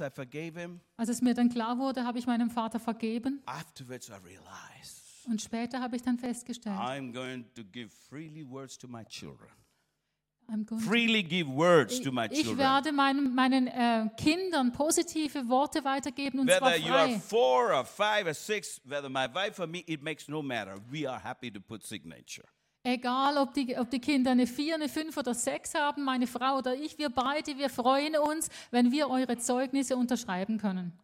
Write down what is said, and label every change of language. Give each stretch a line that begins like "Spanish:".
German: als es mir dann klar wurde, habe ich meinem Vater vergeben.
English: Realized,
German: und später habe ich dann festgestellt,
English: I'm going to give freely words to my children. Freely give words to my children.
German: Ich werde meinen Kindern positive Worte weitergeben, und
English: whether You are 4 or 5 or 6, whether my wife or me, it makes no matter. We are happy to put signature.
German: Egal, ob die Kinder eine 4, eine 5 oder 6 haben, meine Frau oder ich, wir beide, wir freuen uns, wenn wir eure Zeugnisse unterschreiben können.